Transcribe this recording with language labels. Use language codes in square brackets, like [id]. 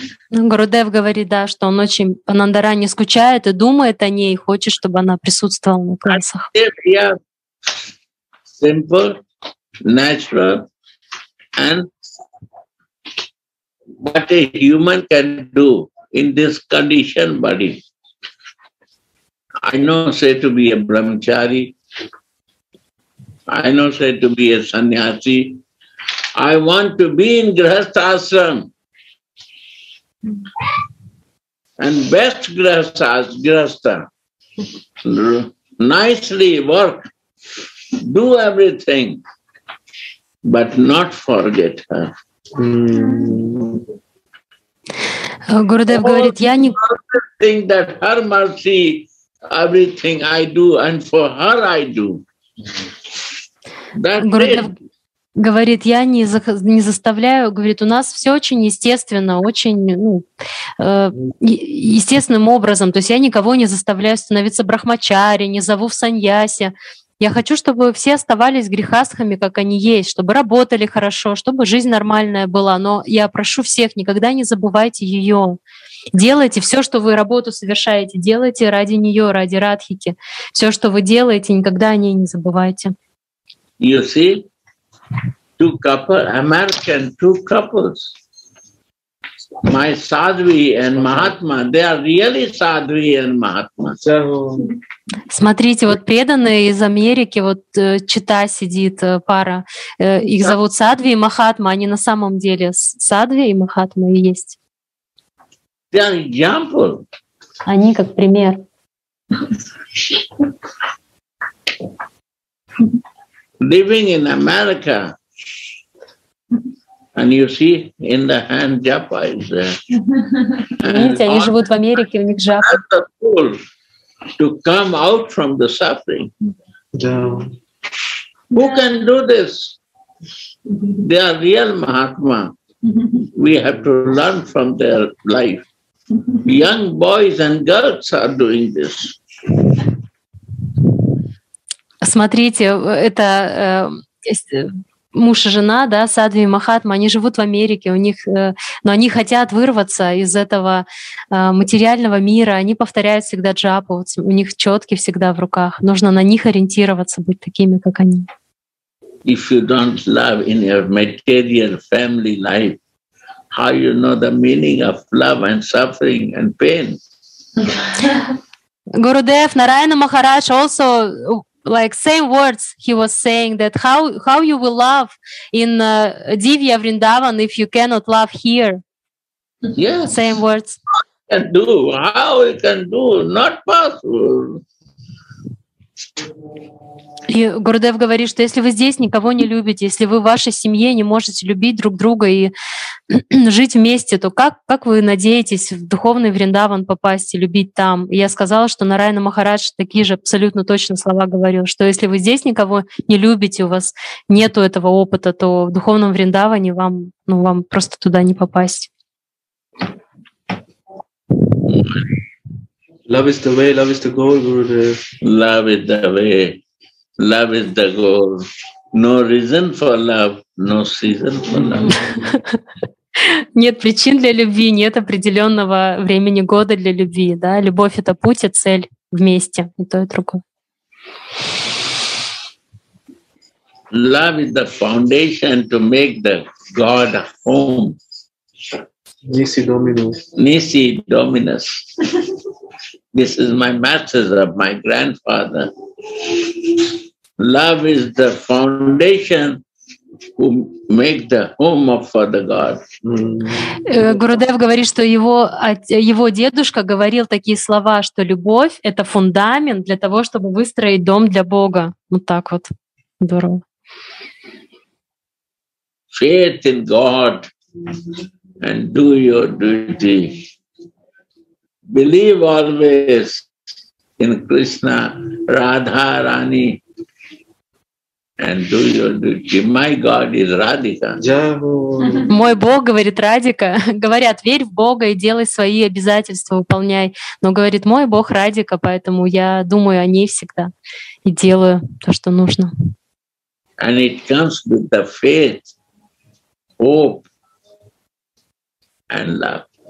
[ru] Гурудев говорит, да, что он очень по Нандарани скучает и думает о ней, хочет, чтобы она присутствовала на классах. [en] Simple, natural, and what a human can do in this condition body. I know say to be a brahmachari, I know say to be a sannyasi, I want to be in grihastha ashram. And best grihastha, nicely work. Do everything, but not forget her. [ru] Гурудев говорит, я не... [en] Think that her mercy, everything I do, and for her I do. [ru] Гурудев говорит, я не заставляю, говорит, у нас все очень естественно, очень естественным образом, то есть я никого не заставляю становиться брахмачари, не зову в саньяси. Я хочу, чтобы все оставались грехастхами, как они есть, чтобы работали хорошо, чтобы жизнь нормальная была. Но я прошу всех, никогда не забывайте ее. Делайте все, что вы работу совершаете, делайте ради нее, ради Радхики. Все, что вы делаете, никогда о ней не забывайте. [en] You see, two couples, American two couples. My sadhvi and mahatma, they are really sadhvi and mahatma. [ru] Смотрите, вот преданные из Америки, вот чита сидит пара, их зовут Садви и Махатма, они на самом деле Садви и Махатма есть. [en] They are example. [ru] Они как пример. [en] Living in America, and you see in the hand japa is there. [ru] Видите, они живут в Америке, у них джапа. [en] To come out from the suffering. Yeah. Who can do this? They are real Mahatma. We have to learn from their life. Young boys and girls are doing this. [ru] Смотрите, это муж и жена, да, Садви и Махатма, они живут в Америке, у них, но они хотят вырваться из этого материального мира, они повторяют всегда джапу, вот у них чётки всегда в руках, нужно на них ориентироваться, быть такими, как они. [en] If you don't love in your material family life, how you know the meaning of love and suffering and pain? Гурудев, Нараяна Махарадж also... Like same words he was saying that how you will love in Divya Vrindavan if you cannot love here. Yeah. Same words. How you can do? Not possible. [ru] И Гурудев говорит, что если вы здесь никого не любите, если вы в вашей семье не можете любить друг друга и жить вместе, то как вы надеетесь в духовный Вриндаван попасть и любить там? И я сказала, что Нараяна Махарадж такие же абсолютно точно слова говорил, что если вы здесь никого не любите, у вас нет этого опыта, то в духовном Вриндаване вам, ну, вам просто туда не попасть. [en] Love is the way, love is the goal, Gurudev. Love is the way. Love is the goal. No reason for love, no season for love. [ru] Нет причин для любви, нет определенного времени года для любви. Да? Любовь — это путь и цель вместе, и то, и другое. [en] Love is the foundation to make the God home. [la] Nisi Dominus. Nisi Dominus. [en] This is my master's of my grandfather. Love is the foundation who make the home of Father God. [ru] Гурудев говорит, что его дедушка говорил такие слова, что любовь — это фундамент для того, чтобы выстроить дом для Бога. Вот так вот. Здорово. [en] Faith in God and do your duty. Believe always in Krishna, Radha, Rani. And do your duty. My God is Radhika. [ru] Мой Бог, говорит Радика, говорят, верь в Бога и делай свои обязательства, выполняй. Но говорит, мой Бог Радика, поэтому я думаю о ней всегда и делаю то, что нужно. [en] And it comes with the faith, hope and love.